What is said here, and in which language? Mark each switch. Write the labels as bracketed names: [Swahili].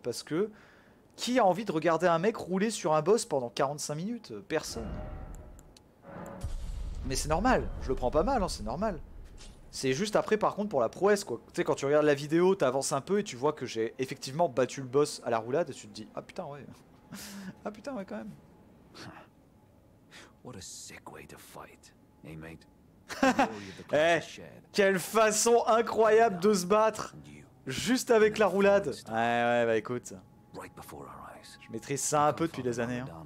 [French] Parce que qui a envie de regarder un mec rouler sur un boss pendant 45 minutes? Personne. Mais c'est normal, je le prends pas mal, hein, c'est normal. C'est juste après, par contre, pour la prouesse, quoi. Tu sais, quand tu regardes la vidéo, t'avances un peu et tu vois que j'ai effectivement battu le boss à la roulade et tu te dis, ah putain, ouais. Ah putain, ouais, quand même. [English] What a sick way to fight, hey mate. [French] Eh, quelle façon incroyable de se battre, juste avec la roulade. Ouais, bah écoute, je maîtrise ça un peu depuis des années. Hein.